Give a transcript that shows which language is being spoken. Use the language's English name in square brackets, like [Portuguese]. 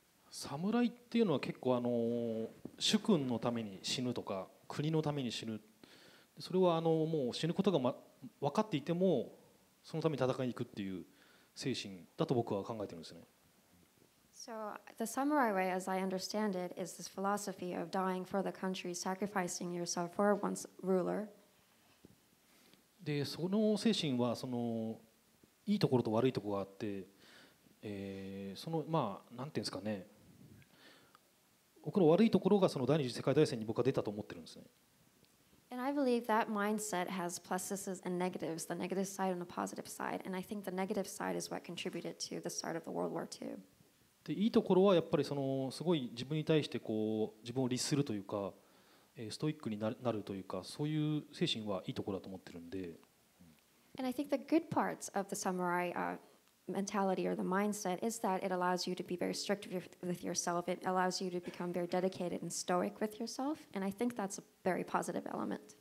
[Japanese] 侍っていうのは結構主君のために死ぬとか国のために死ぬ、それはもう死ぬことが、分かっていてもそのために戦いに行くっていう精神だと僕は考えてるんですね。 [English] So the samurai way as I understand it is this philosophy of dying for the country, sacrificing yourself for one's ruler. [Japanese] でその精神はいいところと悪いところがあって、そのまあなんていうんですかね、僕の悪いところがその第二次世界大戦に僕は出たと思ってるんですね。 [English] And I believe that mindset has pluses and negatives, the negative side and the positive side. And I think the negative side is what contributed to the start of the World War II. [Japanese] で、いいところはやっぱりそのすごい自分に対してこう自分を律するというか、ストイックになるというか、そういう精神はいいところだと思ってるんで。 [English] And I think the good parts of the samurai mentality or the mindset is that it allows you to be very strict with yourself. It allows you to become very dedicated and stoic with yourself. And I think that's a very positive element.